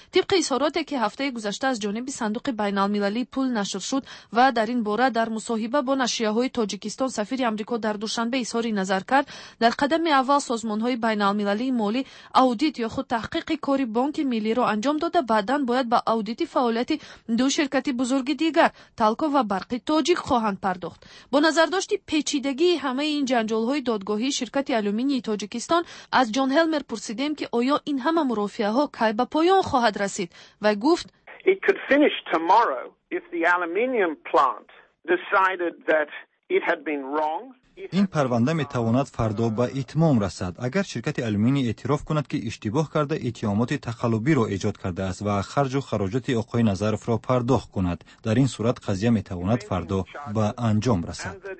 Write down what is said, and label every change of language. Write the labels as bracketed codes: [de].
[fa] طبق اظهاراتی که هفته گذشته از جانب صندوق بین المللی پول نشر شد و در این باره در مصاحبه با نشریه های تاجیکستان سفیر آمریکا در دوشنبه اظهاری نظر کرد، در قدم اول سازمان های بین المللی مالی اودیت یا خود تحقیق کاری بانک ملی را انجام داده، بعدن باید به اودیت فعالیت دو شرکت بزرگ دیگر تالکو و برق تاجیک خواهند پرداخت. با نظر داشت پیچیدگی همه این جنجال های دادگاهی شرکت آلومینی تاجیکستان، از جان هلمر پرسیدیم که آیا این همه مرافعه ها کی به پایان خواهد رسید و گفت [en] It could finish tomorrow if the aluminium plant decided that it had been wrong. [fa] این پرونده می تواند فردا به اتمام رسد اگر شرکت آلومینی اعتراف کند که اشتباه کرده اتهامات تخلبی را ایجاد کرده است و خرج و خراجات آقای نظرف را پرداخت کند. در این صورت قضیه می تواند فردا به انجام رسد.